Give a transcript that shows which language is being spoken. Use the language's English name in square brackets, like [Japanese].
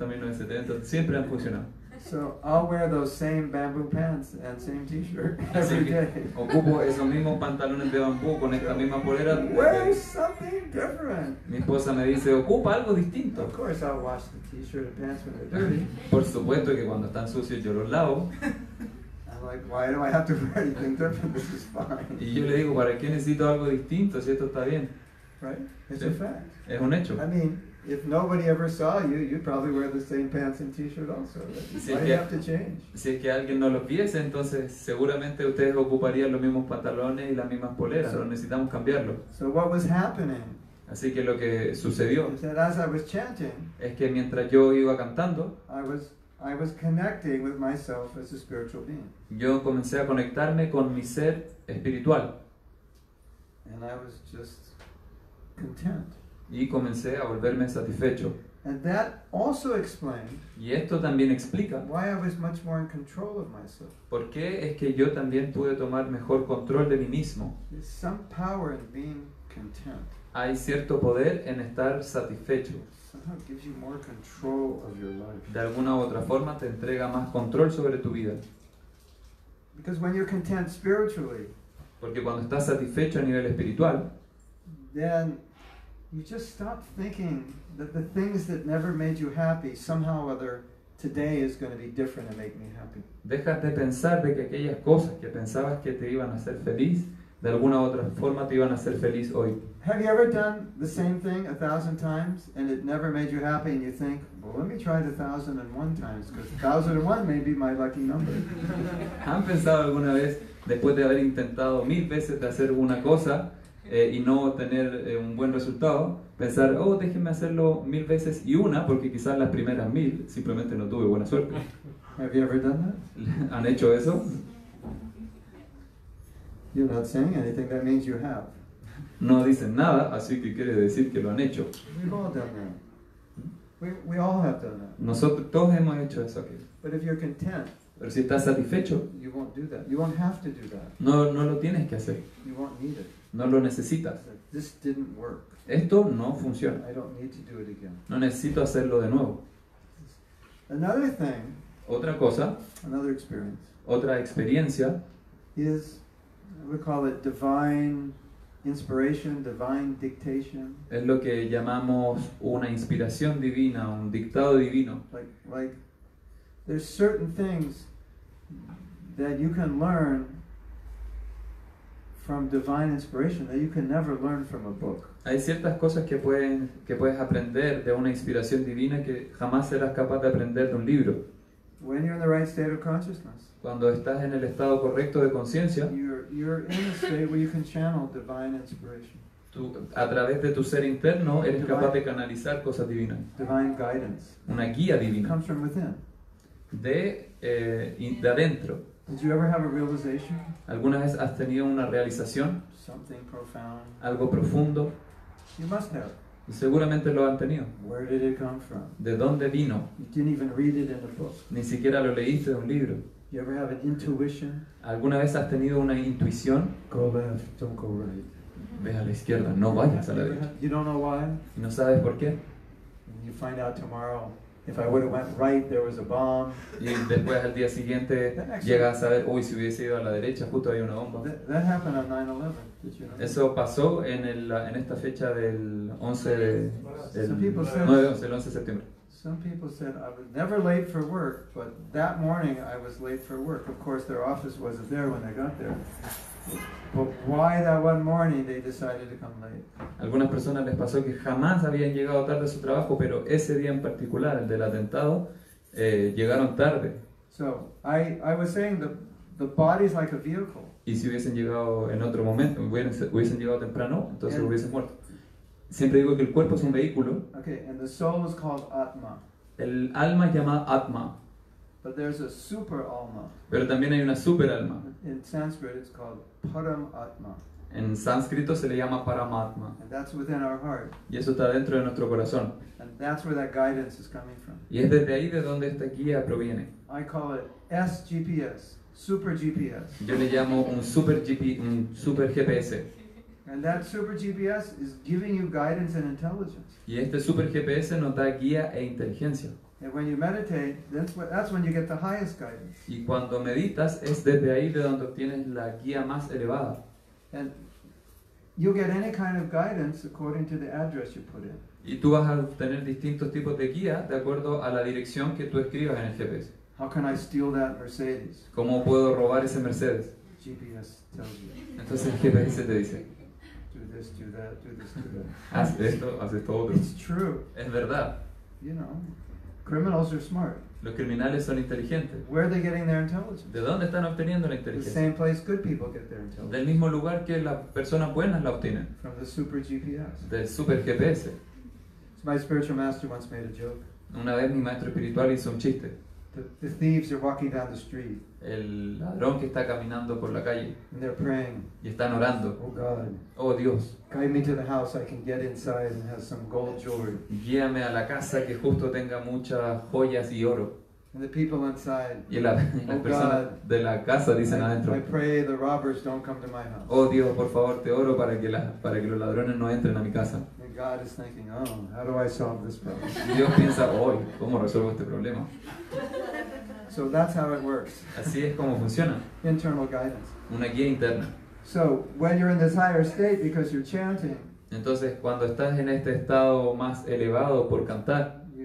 [English] 1960, 1970, you know, it's always the same. [Spanish] 1960, 1970, siempre han funcionado. [English] So I'll wear those same bamboo pants and same t-shirt every day. [Spanish] Ocupo esos mismos pantalones de bambú con esta misma polera. [English] Wear something different. [Spanish] Mi esposa me dice, ocupa algo distinto. [English] Of course I'll wash the t-shirt and pants when they're dirty. [Spanish] Por supuesto que cuando están sucios yo los lavo. [English] Like, why do I have to wear anything different? This is fine. [Spanish] Y yo le digo, ¿para qué necesito algo distinto si esto está bien? [English] Right? It's a fact. [Spanish] Es un hecho. [English] I mean, if nobody ever saw you, you'd probably wear the same pants and t-shirt also. Why do you have to change? [Spanish] Si es que alguien no los viese, entonces seguramente ustedes ocuparían los mismos pantalones y las mismas poleras. No necesitamos cambiarlo. [English] So what was happening? [Spanish] Así que lo que sucedió [English] as I was chanting, [Spanish] es que mientras yo iba cantando, [English] I was connecting with myself as a spiritual being. [Spanish] Yo comencé a conectarme con mi ser espiritual. [English] And I was just content. [Spanish] Y comencé a volverme satisfecho. [English] And that also explained, [Spanish] y esto también explica, [English] why I was much more in control of myself. [Spanish] ¿Por qué es que yo también pude tomar mejor control de mí mismo? [English] There's some power in being content. [Spanish] Hay cierto poder en estar satisfecho. [English] Gives you more control of your life. [Spanish] De alguna u otra forma te entrega más control sobre tu vida. [English] Because when you're content spiritually, [Spanish] porque cuando estás satisfecho a nivel espiritual, [English] then you just stop thinking that the things that never made you happy somehow or other today is going to be different and make me happy. [Spanish] Dejas de pensar de que aquellas cosas que pensabas que te iban a hacer feliz de alguna u otra forma te iban a hacer feliz hoy. [English] Have you ever done the same thing 1,000 times and it never made you happy and you think, well, let me try it 1,001 times because 1,001 may be my lucky number. [Spanish] ¿Han pensado alguna vez, después de haber intentado 1,000 veces de hacer una cosa y no tener un buen resultado, pensar, oh, déjenme hacerlo 1,000 veces y una porque quizás las primeras 1,000 simplemente no tuve buena suerte? [English] Have you ever done that? [Spanish] ¿Han hecho eso? [English] You're not saying anything, that means you have. [Spanish] No dicen nada, así que quiere decir que lo han hecho. [English] We've all done that. We all have done that. [Spanish] Nosotros todos hemos hecho eso aquí. [English] But if you're content, [Spanish] pero si estás satisfecho, [English] you won't do that. You won't have to do that. [Spanish] No lo tienes que hacer. [English] You won't need it. [Spanish] No lo necesitas. [English] This didn't work. [Spanish] Esto no funciona. [English] I don't need to do it again. [Spanish] No necesito hacerlo de nuevo. [English] Another thing, [Spanish] otra cosa, [English] another experience, [Spanish] otra experiencia, [English] is we call it divine inspiration, divine dictation. [Spanish] Es lo que llamamos una inspiración divina, un dictado divino. [English] Like there's certain things that you can learn from divine inspiration that you can never learn from a book. [Spanish] Hay ciertas cosas que puedes aprender de una inspiración divina que jamás serás capaz de aprender de un libro. [English] When you're in the right state of consciousness, [Spanish] cuando estás en el estado correcto de conciencia, [English] you're in a state where you can channel divine inspiration. [Spanish] Tú, a través de tu ser interno, eres divine, capaz de canalizar cosas divinas. [English] Divine guidance. [Spanish] Una guía divina. [English] It comes from within. [Spanish] De adentro. [English] Did you ever have a realization? [Spanish] ¿Alguna vez has tenido una realización? [English] Something profound. [Spanish] Algo profundo. [English] You must have. [Spanish] Seguramente lo han tenido. [English] Where did it come from? [Spanish] ¿De dónde vino? [English] You didn't even read it in a book. [Spanish] Ni siquiera lo leíste en un libro. [English] You ever have an intuition? [Spanish] ¿Alguna vez has tenido una intuición? [English] Go left, don't go right. [Spanish] Ve a la izquierda, no vayas a la derecha. [English] You don't know why? [Spanish] ¿Y no sabes por qué? [English] You find out tomorrow. If I would have went right, there was a bomb. [Spanish] Y después al día siguiente llega a saber, uy, si hubiese ido a la derecha, justo había una bomba. [English] That happened on 9/11. Did you know? [Spanish] Eso pasó en esta fecha del 11 de el 11 de septiembre. [English] Some people said I was never late for work, but that morning I was late for work. Of course, their office wasn't there when they got there. But why that one morning they decided to come late? [Spanish] Algunas personas les pasó que jamás habían llegado tarde a su trabajo, pero ese día en particular, el del atentado, llegaron tarde. [English] So I was saying the body is like a vehicle. [Spanish] Y si hubiesen llegado en otro momento, hubiesen llegado temprano, entonces hubiesen muerto. Siempre digo que el cuerpo es un vehículo. [English] Okay, and the soul is called Atma. [Spanish] El alma es llamada Atma. [English] But there's a super alma. [Spanish] Pero también hay una super alma. [English] In Sanskrit it's called Paramatma. [Spanish] En sánscrito se le llama Paramatma. [English] And that's within our heart. [Spanish] Y eso está dentro de nuestro corazón. [English] And that's where that guidance is coming from. [Spanish] Y es desde ahí de donde esta guía proviene. [English] I call it SGPS, super GPS. [Spanish] Yo le llamo un super GPS. [English] And that super GPS is giving you guidance and intelligence. [Spanish] Y este super GPS nos da guía e inteligencia. [English] And when you meditate, that's when you get the highest guidance. [Spanish] Y cuando meditas, es desde ahí de donde obtienes la guía más elevada. [English] And you get any kind of guidance according to the address you put in. [Spanish] Y tú vas a obtener distintos tipos de guía de acuerdo a la dirección que tú escribas en el GPS. [English] How can I steal that Mercedes? [Spanish] ¿Cómo puedo robar ese Mercedes? [English] GPS tells you. [Spanish] Entonces el GPS te dice. [English] Do this. It's true. [Spanish] Es verdad. [English] You know, criminals are smart. [Spanish] Los criminales son inteligentes. [English] Where are they getting their intelligence? [Spanish] ¿De dónde están obteniendo la inteligencia? [English] The same place good people get their intelligence. [Spanish] Del mismo lugar que las personas buenas la obtienen. [English] From the super GPS. [Spanish] Del super GPS. [English] So my spiritual master once made a joke. [Spanish] Una vez mi maestro espiritual hizo un chiste. [English] The thieves are walking down the street. [Spanish] El ladrón que está caminando por la calle. [English] And they're praying. [Spanish] Y están orando. [English] Oh God. [Spanish] Oh Dios. [English] Guide me to the house I can get inside and have some gold jewelry. [Spanish] Guíame a la casa que justo tenga muchas joyas y oro. [English] And the people inside. [Spanish] Y las personas de la casa dicen adentro. [English] I pray the robbers don't come to my house. [Spanish] Oh Dios, por favor, te oro para que los ladrones no entren a mi casa. [English] And God is thinking, oh, how do I solve this problem? [Spanish] Dios piensa, hoy, ¿cómo resuelvo este problema? [English] So that's how it works. [Spanish] Así es como funciona. [English] Internal guidance. [Spanish] Una guía interna. [English] So when you're in this higher state because you're chanting. [Spanish] Entonces cuando estás en este estado más elevado por cantar.